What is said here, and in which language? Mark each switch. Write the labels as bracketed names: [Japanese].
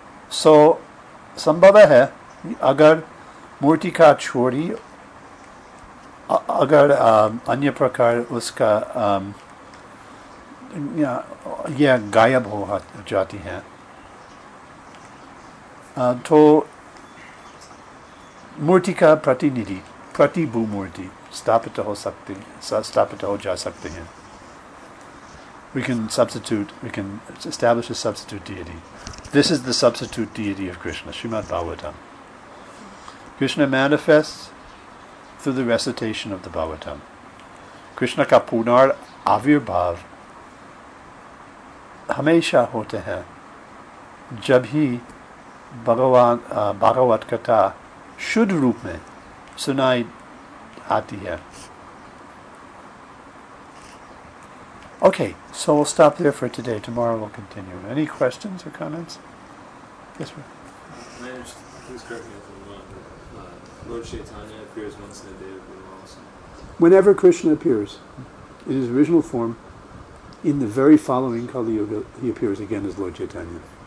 [Hindi] So, संभव है, अगर मूर्ति का चोरी, अगर अन्य प्रकार उसका या गायब हो जाती है, तो मूर्ति का प्रतिनिधि, प्रतिभू मूर्ति, स्थापित हो जा सकती है. [English] We can substitute, we can establish a substitute deity. This is the substitute deity of Krishna, Srimad Bhagavatam. Krishna manifests through the recitation of the Bhagavatam. [Hindi] Krishna का पुनर आविर्भाव हमेशा होता है जब ही भागवत कता शुद् रूप में सुनाई आती है. [English] Okay, so we'll stop there for today. Tomorrow we'll continue. Any questions or comments? Yes, sir. Please correct me if I'm wrong. Lord Chaitanya appears once in a day of Guru also. Whenever Krishna appears in his original form, in the very following Kali Yuga, he appears again as Lord Chaitanya.